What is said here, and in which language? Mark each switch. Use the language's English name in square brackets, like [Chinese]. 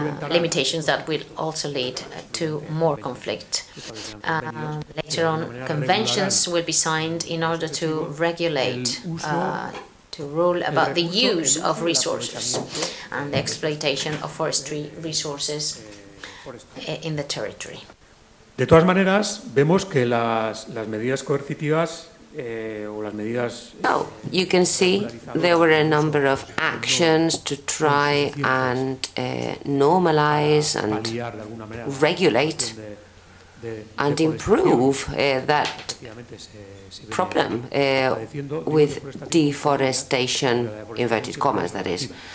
[English] Limitations that will also lead to more conflict. Later on, conventions will be signed in order to regulate, to rule about the use of resources and the exploitation of forestry resources in the territory. [Spanish] De todas maneras, vemos que las medidas coercitivas. [English] Oh, you can see there were a number of actions to try and normalize and regulate and improve that problem with deforestation, inverted commas, that is.